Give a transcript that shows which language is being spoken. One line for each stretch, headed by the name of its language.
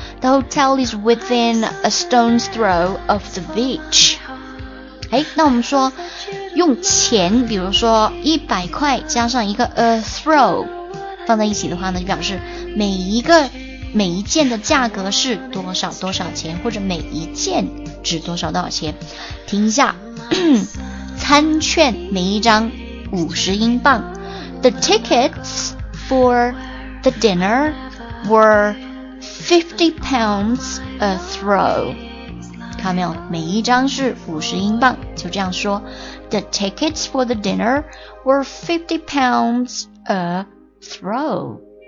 English: The hotel is within a stone's throw of the beach.
Chinese: 诶，那我们说用钱，比如说100块加上一个
English: a throw
Chinese: 放在一起的话呢，就表示每一件的价格是多少多少钱，或者每一件值多少多少钱。停一下，餐券每一张50英镑。
English: The tickets for the dinner were £50 a throw.
Chinese: 看到没有，每一张是50英镑，就这样说。
English: The tickets for the dinner were £50 a throw.